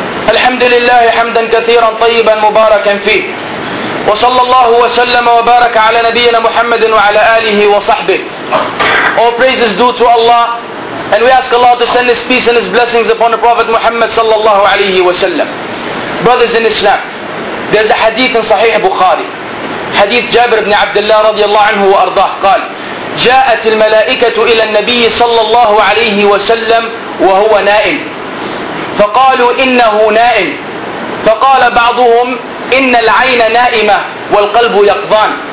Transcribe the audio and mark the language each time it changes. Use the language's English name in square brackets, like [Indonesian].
[Arabic] الحمد لله حمدا كثيرا طيبا مباركا فيه، وصلى الله وسلم وبارك على نبينا محمد وعلى آله وصحبه. [English] All praises due to Allah, and we ask Allah to send His peace and His blessings upon the Prophet Muhammad sallallahu alayhi wa sallam. Brothers in Islam, there's a hadith in Sahih Bukhari, hadith Jabir ibn Abdullah radiallahu anhu wa ardah, [Arabic] قال جاءت الملائكة إلى النبي صلى الله عليه وسلم وهو نائم فقالوا إنه نائم، فقال بعضهم إن العين نائمة والقلب يقظان،